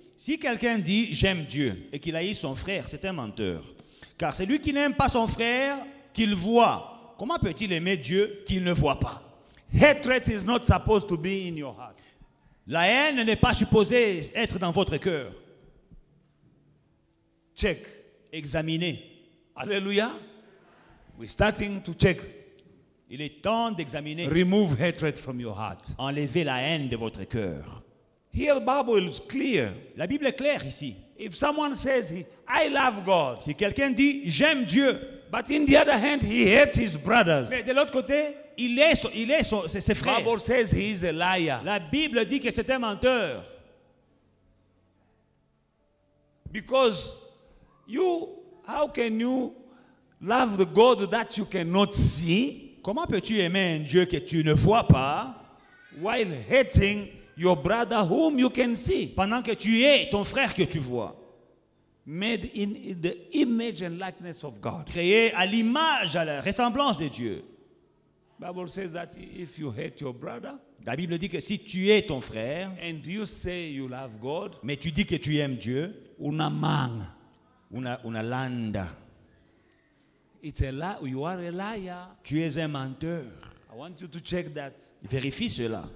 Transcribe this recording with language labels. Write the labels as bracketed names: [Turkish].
[French] Si quelqu'un dit j'aime Dieu et qu'il haït son frère, c'est un menteur. Car celui qui n'aime pas son frère qu'il voit, comment peut-il aimer Dieu qu'il ne voit pas? [English] Hatred is not supposed to be in your heart. [French] La haine n'est pas supposée être dans votre cœur. [English] Check, [French] examiner. [English] Alléluia. We're starting to check. [French] Il est temps d'examiner. [English] Remove hatred from your heart. [French] Enlevez la haine de votre cœur. [English] Here the Bible is clear. [French] La Bible est claire ici. [English] If someone says I love God, [French] si quelqu'un dit j'aime Dieu, [English] but in the other hand he hates his brothers. [French] Mais de l'autre côté, il est ses frères. [English] The Bible says he is a liar. [French] La Bible dit que c'est un menteur. [English] Because you, how can you love the God that you cannot see? [French] Comment peux-tu aimer un Dieu que tu ne vois pas? [English] While hating your brother whom you can see. [French] Pendant que tu hais ton frère que tu vois. [English] Made in the image and likeness of God. [French] Créé à l'image, à la ressemblance de Dieu. [English] Bible says that if you hate your brother, [French] la Bible dit que si tu hais ton frère, [English] and you say you love God, [French] mais tu dis que tu aimes Dieu, una man, una landa. [English] It's a lie. You are a liar. [French] Tu es un menteur. [English] I want you to check that. [French] Vérifie cela.